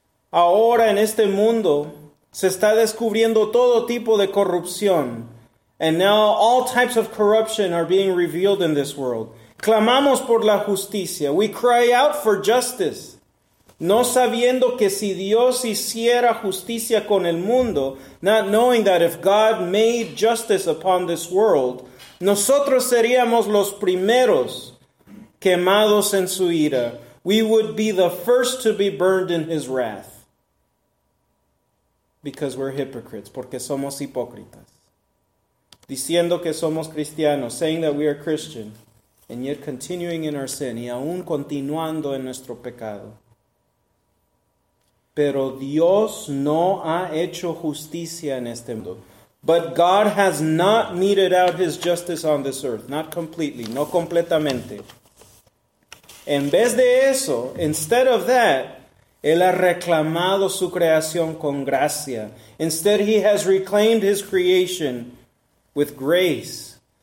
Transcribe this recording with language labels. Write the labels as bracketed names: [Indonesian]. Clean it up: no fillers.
[Spanish] Ahora en este mundo se está descubriendo todo tipo de corrupción. [English] And now all types of corruption are being revealed in this world. [Spanish] Clamamos por la justicia. [English] We cry out for justice. [Spanish] No sabiendo que si Dios hiciera justicia con el mundo, [English] not knowing that if God made justice upon this world, [Spanish] nosotros seríamos los primeros quemados en su ira. [English] We would be the first to be burned in his wrath. Because we're hypocrites, [Spanish] porque somos hipócritas. Diciendo que somos cristianos, [English] saying that we are Christian, and yet continuing in our sin, [Spanish] y aún continuando en nuestro pecado. Pero Dios no ha hecho justicia en este mundo. [English] But God has not meted out his justice on this earth, not completely, [Spanish] no completamente. En vez de eso, [English] instead of that, [Spanish] él ha reclamado su creación con gracia. [English] Instead, he has reclaimed his creation with grace.